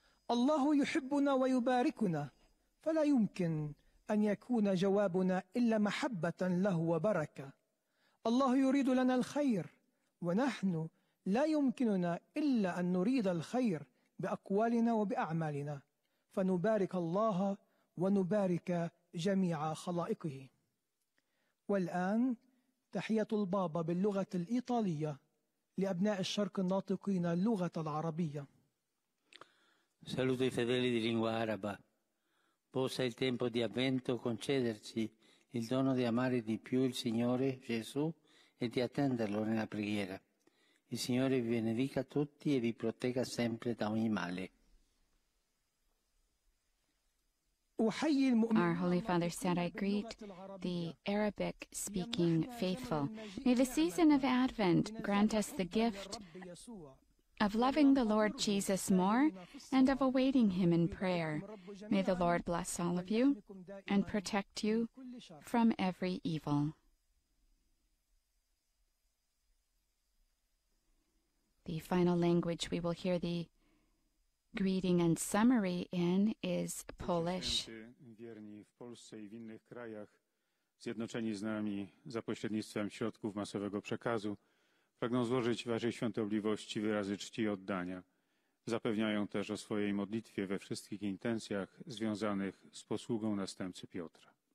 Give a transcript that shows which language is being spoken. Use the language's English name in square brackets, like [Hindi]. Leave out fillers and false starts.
[Arabic] الله يحبنا ويباركنا فلا يمكن أن يكون جوابنا إلا محبة له وبركة الله يريد لنا الخير ونحن لا يمكننا إلا أن نريد الخير بأقوالنا وبأعمالنا فنبارك الله ونبارك جميع خلائقه والآن تحية البابا باللغة الإيطالية لأبناء الشرق الناطقين اللغة العربية [Italian] Saluto i fedeli di lingua araba. Possa il tempo di avvento concederci il dono di amare di più il Signore Gesù e di attenderlo nella preghiera. Il Signore vi benedica tutti e vi protegga sempre da ogni male. [English] Our Holy Father said, I greet the Arabic-speaking faithful. May the season of Advent grant us the gift of loving the Lord Jesus more and of awaiting Him in prayer. May the Lord bless all of you and protect you from every evil. The final language we will hear the greeting and summary in is Polish. [Polish] Wierni w Polsce i w innych krajach, zjednoczeni z nami za pośrednictwem środków masowego przekazu, pragną złożyć Waszej Świątobliwości wyrazy czci i oddania. Zapewniają też o swojej modlitwie we wszystkich intencjach związanych z posługą następcy Piotra.